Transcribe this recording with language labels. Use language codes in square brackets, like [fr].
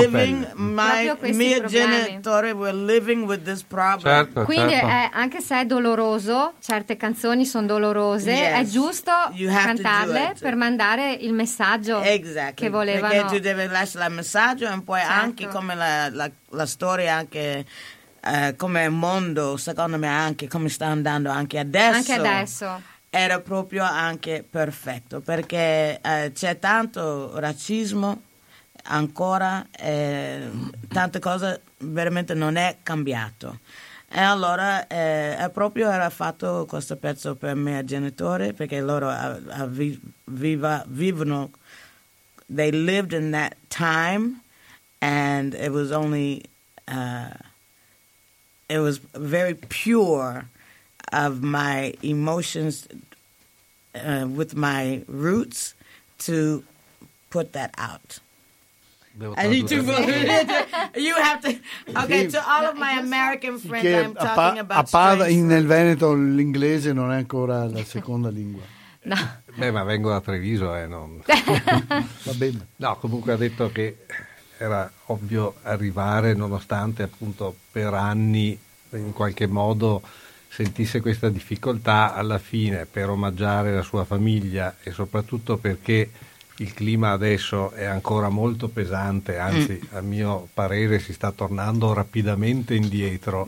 [en] living, my [it] genitori [en] were living with this problem, [it] certo, quindi certo. Anche se è doloroso, certe canzoni sono dolorose, [en] yes, [it] è giusto cantarle per mandare il messaggio, [en] exactly, [it] che volevano, perché tu devi lasciare il messaggio, e poi certo, anche come la storia, anche come il mondo secondo me, anche come sta andando anche adesso era proprio anche perfetto, perché c'è tanto razzismo ancora, tante cose veramente non è cambiato. E allora era fatto questo pezzo per i miei genitori, perché loro vivono, [en] they lived in that time, and it was only, it was very pure of my emotions, with my roots, to put that out. You have to. Okay, to all of my American friends, I'm talking about. [it] A parte nel Veneto l'inglese non è ancora la seconda lingua. No. Beh, ma vengo da Treviso, non. Va bene. No, comunque ha detto che era ovvio arrivare, nonostante appunto per anni in qualche modo sentisse questa difficoltà, alla fine per omaggiare la sua famiglia, e soprattutto perché il clima adesso è ancora molto pesante, anzi a mio parere si sta tornando rapidamente indietro,